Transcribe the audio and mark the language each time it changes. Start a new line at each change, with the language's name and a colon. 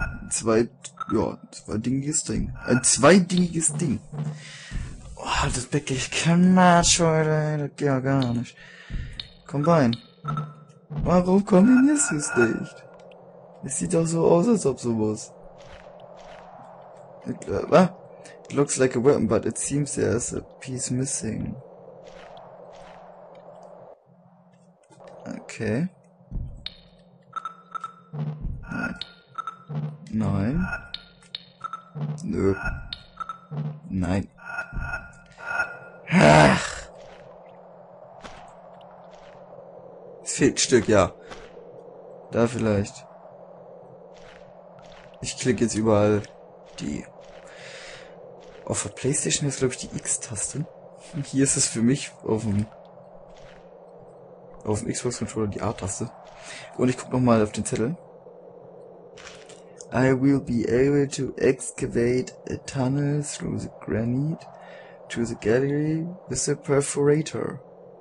German: Zwei Dinges Ding. Ein zweidingiges Ding. Oh, das wirklich kein Match, Leute. Das geht ja gar nicht. Combine. Warum kombinierst du es nicht? Es sieht doch so aus, als ob sowas.
English: It looks like a weapon, but it seems there's a piece missing.
German: Okay. Nein. Nö. Nein. Ach. Es fehlt ein Stück, ja. Da vielleicht. Ich klicke jetzt überall die... Auf der PlayStation ist, glaube ich, die X-Taste. Und hier ist es für mich auf dem Xbox-Controller die A-Taste. Und ich gucke nochmal auf den Zettel.
English: I will be able to excavate a tunnel through the granite to the gallery with a perforator.